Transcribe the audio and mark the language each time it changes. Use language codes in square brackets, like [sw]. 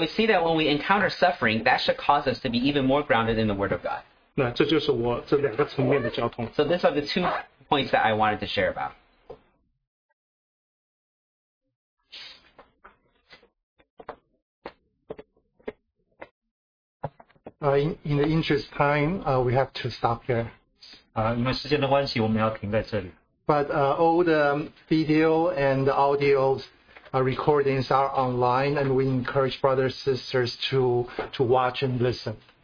[en] we see that when we encounter suffering, that should cause us to be even more grounded in the Word of God. [zh] 那这就是我这两个层面的交通。 [en] So these are the two points that I wanted to share about. In the interest of time, we have to stop here. [zh] 因为时间的关系, 我们要停在这里。 [en] But all the video and the audio recordings are online, and we encourage brothers and sisters to watch and listen.